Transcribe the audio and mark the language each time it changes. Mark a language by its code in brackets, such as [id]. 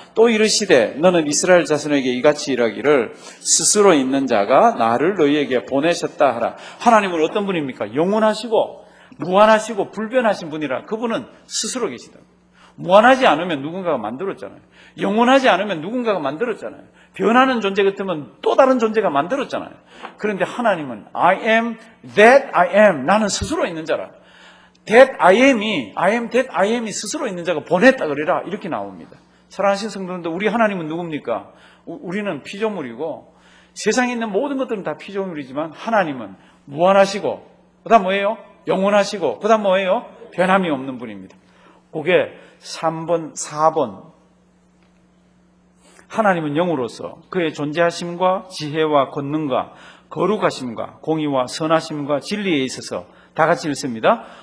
[ko] 또 이르시되 너는 이스라엘 자손에게 이같이 이르기를 스스로 있는 자가 나를 너희에게 보내셨다 하라. 하나님은 어떤 분입니까? 영원하시고 무한하시고 불변하신 분이라. 그분은 스스로 계시다. 무한하지 않으면 누군가가 만들었잖아요. 영원하지 않으면 누군가가 만들었잖아요. 변하는 존재 같으면 또 다른 존재가 만들었잖아요. 그런데 하나님은 [en] I am that I am. [ko] 나는 스스로 있는 자라. [en] That I am이 I am that I am이 [ko] 스스로 있는 자가 보냈다 그래라. 이렇게 나옵니다. 사랑하신 성도들, 우리 하나님은 누굽니까? 우리는 피조물이고 세상에 있는 모든 것들은 다 피조물이지만 하나님은 무한하시고 그다음 뭐예요? 영원하시고 그다음 뭐예요? 변함이 없는 분입니다. 그게 3번, 4번 하나님은 영으로서 그의 존재하심과 지혜와 권능과 거룩하심과 공의와 선하심과 진리에 있어서 다 같이 읽습니다.